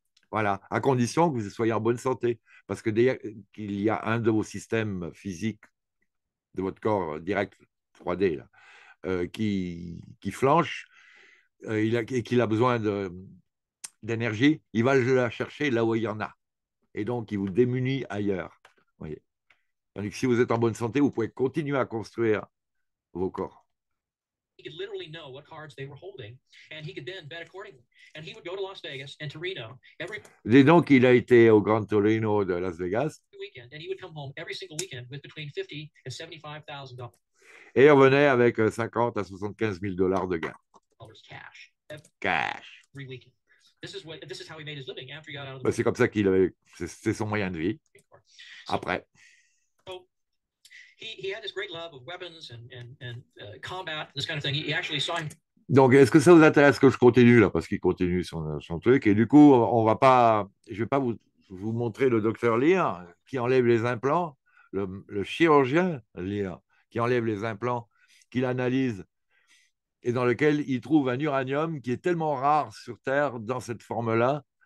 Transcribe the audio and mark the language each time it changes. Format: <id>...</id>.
<fr>Voilà, à condition que vous soyez en bonne santé, parce que dès qu'il y a un de vos systèmes physiques de votre corps direct, 3D, là, qui flanche, et qu'il a besoin d'énergie, il va la chercher là où il y en a. Et donc, il vous démunit ailleurs. Vous voyez. Donc, si vous êtes en bonne santé, vous pouvez continuer à construire vos corps.</fr> <en>He could literally know what cards they were holding, and he could then bet accordingly. And he would go to Las Vegas and to Reno every</en> <fr>Et donc, il a été au Grand Torino de Las Vegas.</fr> <en>weekend, and he would come home every single weekend with between 50 and 75,000 dollars</en> <fr>Et il revenait avec 50 à 75 000 dollars de gains.</fr> <en>cash</en> <fr>Cash.</fr> <en>every weekend. This is how he made his living after he got out of the</en> <fr>Ben, c'est</fr> <en>Marine</en> <fr>comme ça qu'il avait. C'est son moyen de vie.</fr> <en>Corps.</en> <fr>Après.</fr> <en>He had this great love of weapons and combat, this kind of thing. He actually saw him.</en> <fr>Donc, est-ce que ça vous intéresse que je continue là? Parce qu'il continue son truc. Et du coup, on va pas, je ne vais pas vous montrer le docteur Lear qui enlève les implants, le chirurgien Lear qui enlève les implants, qu'il analyse et dans lequel il trouve un uranium qui est tellement rare sur Terre dans cette forme-là.</fr>